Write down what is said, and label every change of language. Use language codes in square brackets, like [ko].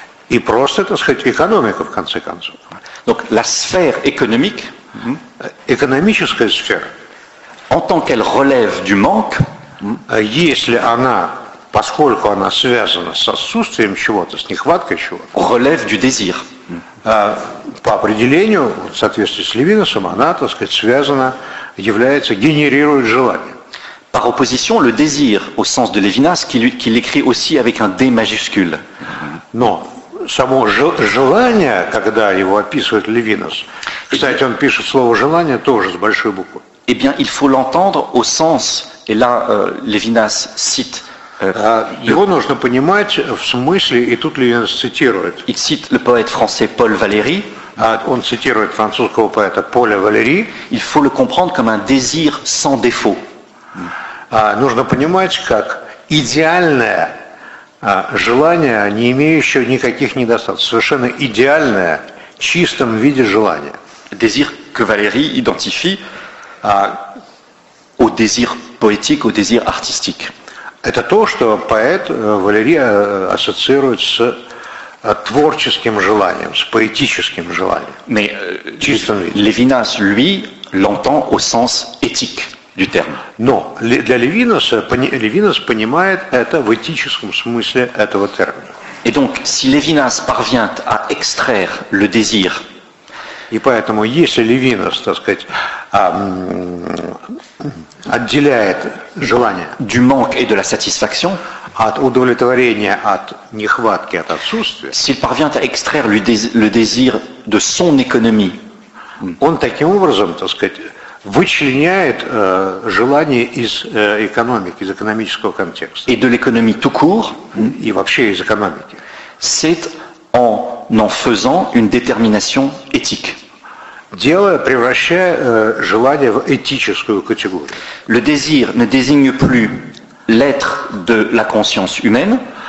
[ru] И просто, так сказать, экономика, в конце концов. [fr] Donc, la sphère économique, [ru] экономическая сфера, [fr] en tant qu'elle relève du manque, [ru] если она, поскольку она связана с отсутствием чего-то, с нехваткой чего-то, [fr] relève du désir. [ru] По определению, в соответствии с Левинасом, она, так сказать, связана, является, генерирует желание. [fr] Par opposition, le désir, au sens de Levinas, qu'il écrit aussi avec un D majuscule. Non. [ru] Само желание, когда его описывает Левинас, кстати, он пишет слово «желание» тоже с большой буквы. [fr] Eh bien, il faut l'entendre au sens, et là, Левинас cite... [ru] Его нужно понимать в смысле, и тут Левинас цитирует. [fr] Il cite le poète français Paul Valéry. [ru] Он цитирует французского поэта Поля Валери. [fr] Il faut le comprendre comme un désir sans défaut. [ru] Нужно понимать, как идеальное... желание, не имеющее никаких недостатков, совершенно идеальное, в чистом виде желание. [fr] Désir que Valéry identifie au désir poétique, au désir artistique. [ru] Это то, что поэт Валери ассоциирует с творческим желанием, с поэтическим желанием. [fr] Mais, [ru] в чистом виде. [fr] Левинас, lui, l'entend au sens éthique. Du terme. Non, [ru] для Левинаса, Левинас понимает это в этическом смысле этого термина. [fr] Et donc, si Levinas parvient à extraire le désir, [ru] и поэтому, если Левинас, так сказать, отделяет желание [fr] du manque et de la satisfaction, [ru] от удовлетворения, от нехватки, от отсутствия, [fr] s'il parvient à extraire le désir de son économie, [ru] он таким образом, так сказать, вычленяет желание из экономики, из экономического контекста. [fr] Et de l'économie tout court, [ru] и вообще из экономики. [fr] C'est en faisant une détermination éthique. [ru] Превращая желание в этическую категорию. [fr] Le désir ne désigne plus l'être de la conscience humaine.